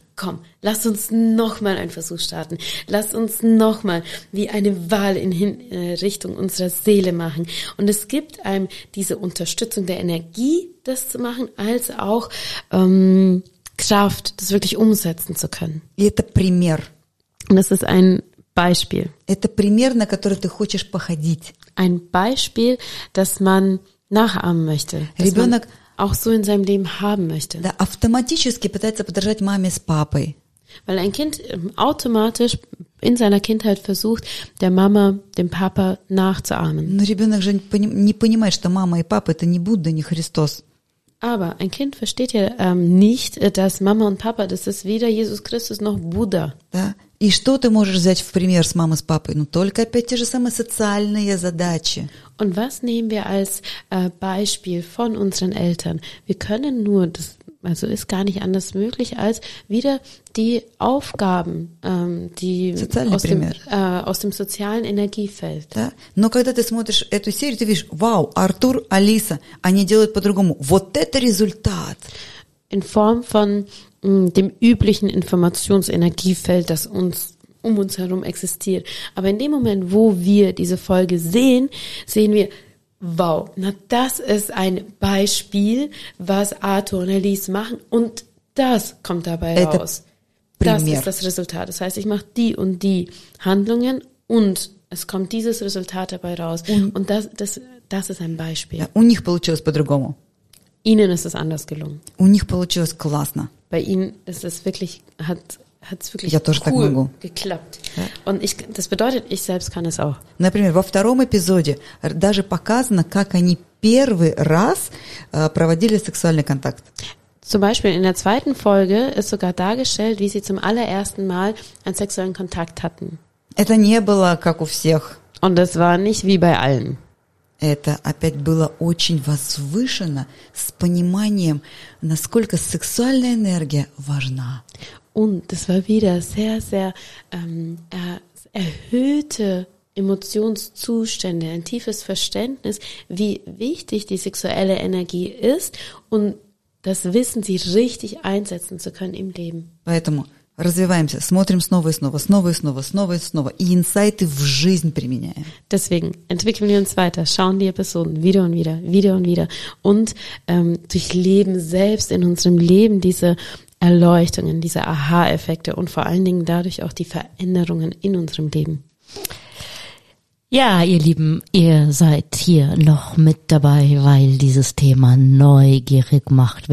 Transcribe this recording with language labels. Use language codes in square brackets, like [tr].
[de] Komm, lass uns nochmal einen Versuch starten. Lass uns nochmal wie eine Wahl in Richtung unserer Seele machen. Und es gibt einem diese Unterstützung der Energie, das zu machen, als auch Kraft, das wirklich umsetzen zu können. [ru] Это пример. [de] Und das ist ein Beispiel. [ru] Это пример, на который ты хочешь походить. [de] Ein Beispiel, das man nachahmen möchte. [ru] Ребенок [de] auch so in seinem Leben haben möchte. [ru] Да, автоматически пытается подражать маме с папой. [de] Weil ein Kind automatisch in seiner Kindheit versucht, der Mama, dem Papa nachzuahmen. [ru] Но ребенок же не понимает, что мама и папа это не Будда, не Христос. [de] Aber ein Kind versteht ja nicht, dass Mama und Papa, das ist weder Jesus Christus noch Buddha. [ru] Да. И что ты можешь взять в пример с мамой, с папой? Ну, только опять те же самые социальные задачи. [de] Und was nehmen wir als Beispiel von unseren Eltern? Wir können nur, das, also ist gar nicht anders möglich, als wieder die Aufgaben, die aus dem sozialen Energiefeld. [ru] Да? Но когда ты смотришь эту серию, ты видишь, вау, Артур, Алиса, они делают по-другому. Вот это результат! [de] In Form von dem üblichen Informationsenergiefeld, das uns um uns herum existiert. Aber in dem Moment, wo wir diese Folge sehen, sehen wir, wow, na das ist ein Beispiel, was Arthur und Alice machen und das kommt dabei [ru] это [de] raus. Das ist das Resultat. Das heißt, ich mache die und die Handlungen und es kommt dieses Resultat dabei raus. Und das ist ein Beispiel. [ru] Ja, у них получилось по-другому. [de] Ihnen ist es anders gelungen. [ru] У них получилось классно. [de] Bei ihnen ist es wirklich, hat's wirklich cool geklappt. Ja. Und das bedeutet, ich selbst kann es auch. [ru] Например, во втором эпизоде даже показано, как они первый раз проводили сексуальный контакт. [de] Zum Beispiel in der zweiten Folge ist sogar dargestellt, wie sie zum allerersten Mal einen sexuellen Kontakt hatten. [ru] Это не было как у всех. [de] Und es war nicht wie bei allen. [ru] Это опять было очень возвышено с пониманием, насколько сексуальная энергия важна. [de] Und das war wieder sehr, sehr erhöhte Emotionszustände, ein tiefes Verständnis, wie wichtig die sexuelle Energie ist und das Wissen, sie richtig einsetzen zu können im Leben. [ru] Поэтому развиваемся, смотрим снова и снова, снова и снова, снова и снова и инсайты в жизнь применяем. [de] Deswegen entwickeln wir uns weiter, schauen die Episoden wieder und wieder, wieder und wieder und durchleben selbst in unserem Leben diese Erleuchtungen, diese Aha-Effekte und vor allen Dingen dadurch auch die Veränderungen in unserem Leben. Ja, ihr Lieben, ihr seid hier noch mit dabei, weil dieses Thema neugierig macht.